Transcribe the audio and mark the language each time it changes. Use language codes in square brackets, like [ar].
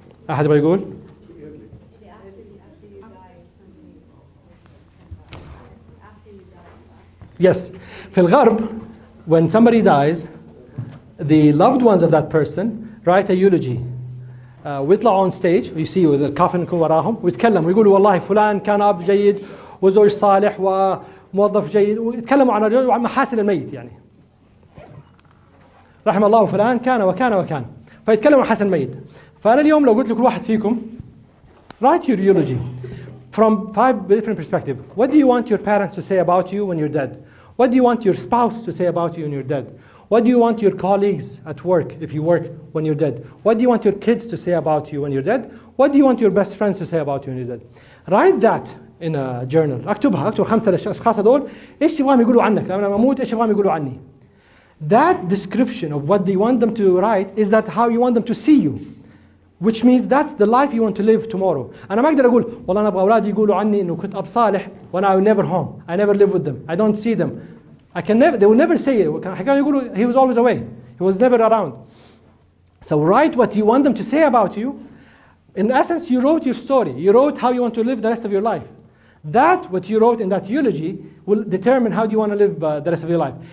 [ar] أحد بيقول؟ [en] Yes, [ar] في الغرب, [en] when somebody dies, the loved ones of that person write a eulogy. [ar] ويطلع [en] on stage, you see with the coffin [ar] يكون وراهم, ويتكلم ويقولوا والله فلان كان أب جيد وزوج صالح وموظف جيد, ويتكلموا عن محاسن الميت يعني. رحم الله فلان كان وكان وكان. فيتكلموا عن حسن الميت. فأنا اليوم لو قلت لكل واحد فيكم [en] write your eulogy. from five different perspectives. What do you want your parents to say about you when you're dead? What do you want your spouse to say about you when you're dead? What do you want your colleagues at work, if you work, when you're dead? What do you want your kids to say about you when you're dead? What do you want your best friends to say about you when you're dead? Write that in a journal. [ar] اكتبها, اكتب خمسة الأشخاص دول. إيش يبغاهم يقولوا عنك؟ لما أموت إيش يبغاهم يقولوا عني؟ [en] That description of what they want them to write is that how you want them to see you. Which means that's the life you want to live tomorrow. [ar] أنا ما أقدر أقول والله أنا أبغى أولادي يقولوا عني إنه كنت أب صالح [en] when I was never home. I never live with them. I don't see them. I can never, they will never say it. [ar] حكاية يقولوا [en] he was always away. He was never around. So write what you want them to say about you. In essence, you wrote your story. You wrote how you want to live the rest of your life. That, what you wrote in that eulogy, will determine how you want to live the rest of your life.